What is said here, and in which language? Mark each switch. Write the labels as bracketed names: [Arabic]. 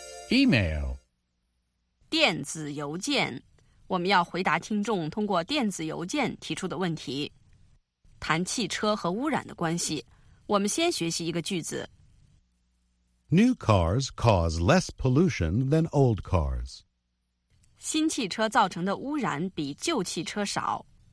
[English] Email. [Chinese] 电子邮件，我们要回答听众通过电子邮件提出的问题。谈汽车和污染的关系，我们先学习一个句子。 [English] New cars cause less pollution than old cars. [Chinese] 新汽车造成的污染比旧汽车少。